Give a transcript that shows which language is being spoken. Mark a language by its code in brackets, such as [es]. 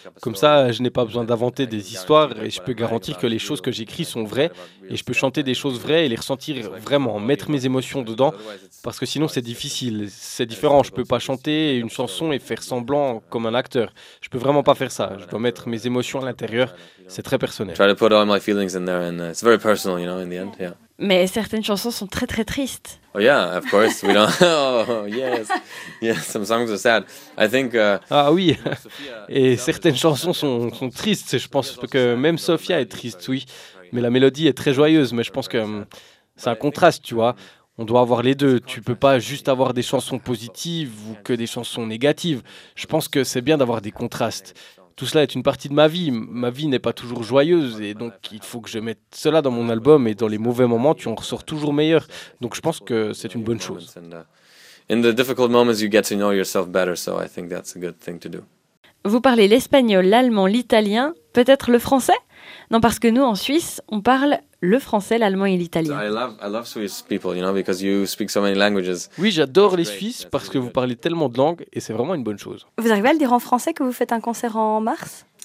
[fr] Comme ça, je n'ai pas besoin d'inventer des histoires et je peux garantir que les choses que j'écris sont vraies. Et je peux chanter des choses vraies et les ressentir vraiment, mettre mes émotions dedans. Parce que sinon, c'est difficile. C'est différent. Je ne peux pas chanter une chanson et faire semblant comme un acteur. Je ne peux vraiment pas faire ça. Je dois mettre mes émotions à l'intérieur. C'est très personnel. [en] Try to put all my feelings in there, and it's very personal, you know, in the end. Yeah. [fr] Mais certaines chansons sont très très tristes. [en] Oh yeah, of course. We don't. Oh yes. Some songs are sad. I think. [fr] Ah oui. Et certaines chansons sont tristes. Je pense que même Sophia est triste, oui. Mais la mélodie est très joyeuse. Mais je pense que c'est un contraste, tu vois. On doit avoir les deux. Tu peux pas juste avoir des chansons positives ou que des chansons négatives. Je pense que c'est bien d'avoir des contrastes. Tout cela est une partie de ma vie. Ma vie n'est pas toujours joyeuse et donc il faut que je mette cela dans mon album et dans les mauvais moments, tu en ressors toujours meilleur. Donc je pense que c'est une bonne chose. [en] In the difficult moments, you get to know yourself better, so I think that's a good thing to do. [fr] Vous parlez l'espagnol, l'allemand, l'italien, peut-être le français ? Non, parce que nous, en Suisse, on parle le français, l'allemand et l'italien. [en] I love Swiss people, you know, because you speak so many languages. [fr] Oui, j'adore les Suisses parce que vous parlez tellement de langues et c'est vraiment une bonne chose. Vous arrivez à le dire en français que vous faites un concert en mars ?